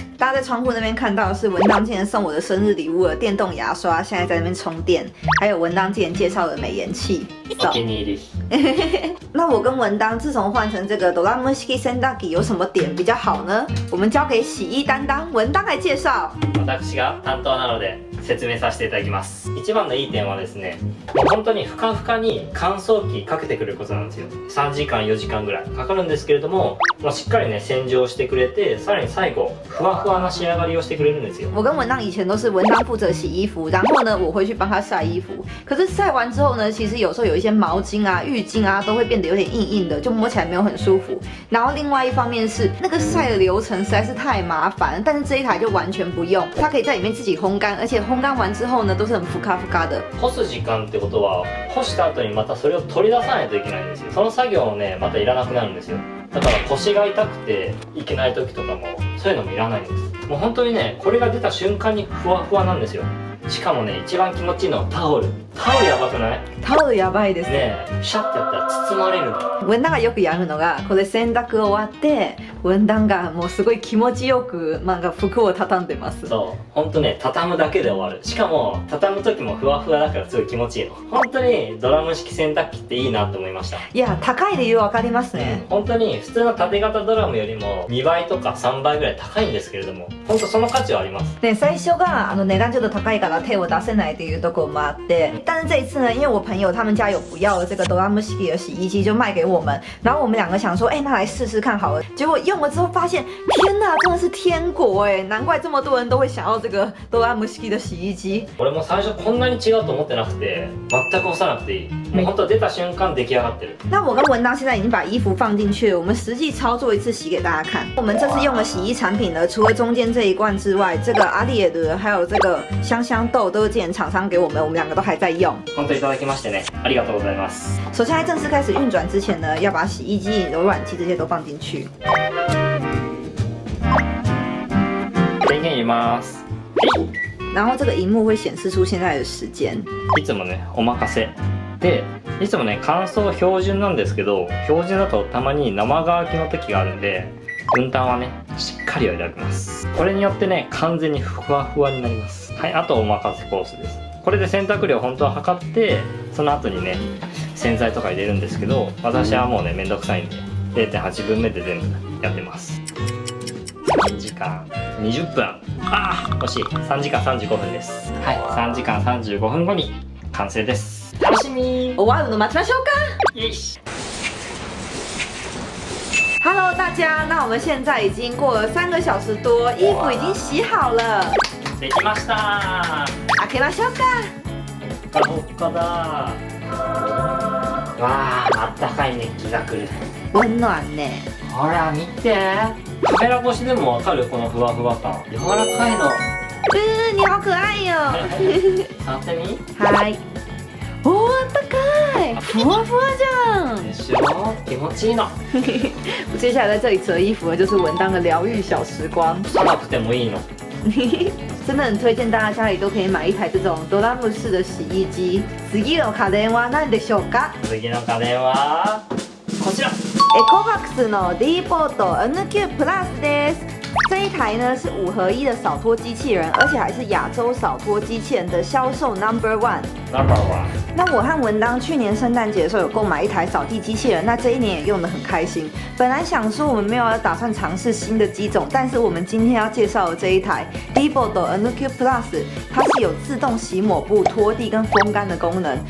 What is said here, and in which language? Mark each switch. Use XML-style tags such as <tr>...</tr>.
<zh>大家在窗户那边看到的是文当今天送我的生日礼物的电动牙刷，现在在那边充电，还有文当今天介绍的美颜器。那我跟文当自从换成这个ドラム式洗濯機有什么点比较好呢？我们交给洗衣担当文当来介绍。</zh> <ja>私が担当なので説明させていただきます。一番のいい点はですね、本当にふかふかに乾燥機かけてくれることなんですよ。 3時間4時間ぐらいかかるんですけれども、まあ、しっかりね洗浄してくれて、さらに最後ふわふわな仕上がりをしてくれるんですよ。</ja> <zh>我跟文当以前都是文当负责洗衣服，然后呢我会去帮他晒衣服。可是晒完之后呢，其实有时候有一些毛巾啊、浴巾啊都会变得有点硬硬的，就摸起来没有很舒服。然后另外一方面是那个晒的流程实在是太麻烦，但是这一台就完全不用，它可以在里面自己烘干，而且烘干完之后呢，都是很ふかふか的。</zh> <ja>干す時間ってことは、干した後にまたそれを取り出さないといけないんですよ。その作業をね、またいらなくなるんですよ。だから腰が痛くていけない時とかも、そういうのもいらないんです。もう本当にね、これが出た瞬間にふわふわなんですよ。しかもね、一番気持ちいいのはタオル。タオルやばくない？タオルやばいですね。シャッてやったら包まれる。文旦がよくやるのが、これ洗濯終わって、文旦がもうすごい気持ちよくなんか服を畳んでます。そう、本当ね、畳むだけで終わる。しかも畳む時もふわふわだからすごい気持ちいいの。本当にドラム式洗濯機っていいなと思いました。いや、高い理由わかりますね。本当に普通の縦型ドラムよりも2倍とか3倍ぐらい高いんですけれども、本当その価値はあります。ね、最初が値段ちょっと高いから手を出せないというところもあって。</ja> <zh>但是这一次呢，因为我朋友他们家有不要的这个ドラム式的洗衣机，就卖给我们。然后我们两个想说，哎，那来试试看好了。结果用了之后发现，天哪，真的是天国哎！难怪这么多人都会想要这个ドラム式的洗衣机。</zh> <ja>俺も最初こんなに違うと思ってなくて、全く押さなくていい。もう本当出た瞬間出来上がってる。</ja> <zh>那我跟文当现在已经把衣服放进去了，我们实际操作一次洗给大家看。我们这次用的洗衣产品呢，除了中间这一罐之外，这个阿丽尔的还有这个香香豆都是之前厂商给我们，我们两个都还在用。</zh> <ja>本当いただきましてね、ありがとうございます。</ja> <zh>首先在正式开始运转之前呢，要把洗衣机、柔软剂这些都放进去。</zh> <ja>電源入れます。</ja> <zh>然后这个屏幕会显示出现在的时间。</zh> <ja>いつもね、お任せ。で、いつもね、乾燥標準なんですけど、標準だとたまに生乾きの時があるんで、分担はね、しっかりを選びます。これによってね、完全にふわふわになります。はい、あとお任せコースです。これで洗濯量本当は測って、その後にね、洗剤とか入れるんですけど、私はもうね、めんどくさいんで、0.8 分目で全部やってます。 3時間20分。ああ、惜しい。3時間35分です。はい、3時間35分後に完成です。楽しみー。終わるの待ちましょうか。よし。</ja> <zh>Hello 大家、那我们现在已经过了3个小时多、衣服已经洗好了。</zh> <ja>できましたー。開けましょうか。ほっかほっかだ。わあ、あったかい熱気が来る。温暖ね。ほら見て。カメラ越しでもわかるこのふわふわ感。柔らかいの。うん、</ja> <zh>你好</zh> <ja>可愛よ。触ってみ。はい。おお、あったかい。ふわふわじゃん。でしょ。気持ちいいの。</ja> <zh>我接下来在这里折衣服的就是文当的疗愈小时光。</zh> <ja>触らなくてもいいの。</ja> <zh>真的很推荐大家家里都可以买一台这种ドラム式的洗衣机。</zh> <ja>次の家電は何でしょうか？次の家電はこちら。エコバックスの D ポート N Q プラスです。</ja> <zh>这一台呢是五合一的扫拖机器人，而且还是亚洲扫拖机器人的销售 number one。那我和文当去年圣诞节的时候有购买一台扫地机器人，那这一年也用得很开心。本来想说我们没有打算尝试新的机种，但是我们今天要介绍的这一台 Divo 的 NQ Plus， 它是有自动洗抹布、拖地跟风干的功能。</zh>